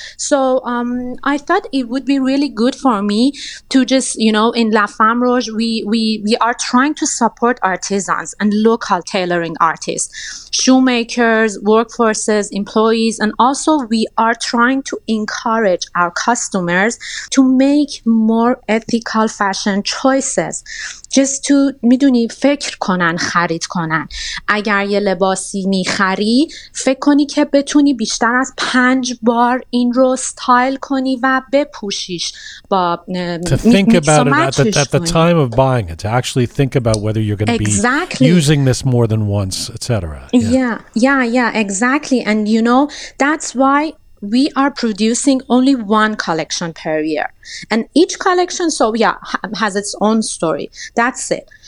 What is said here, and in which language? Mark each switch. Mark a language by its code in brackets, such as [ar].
[en] So I thought it would be really good for me to just, you know, in La Femme Rouge, we are trying to support artisans and local tailoring artists, shoemakers, workforces, employees, and also we are trying to encourage our customers to make more ethical fashion choices. Just to, [fa] میدونی فکر کنن خرید کنن اگر یه لباسی میخری فکر کنی که بتونی بیشتر از 5 بار این رو استایل کنی و بپوشیش با [en] to think about it at the time of buying it, to actually think about whether you're going to be using this more than once, etc. Yeah, exactly. And you know, that's why we are producing only one collection per year, and each collection has its own story. That's it.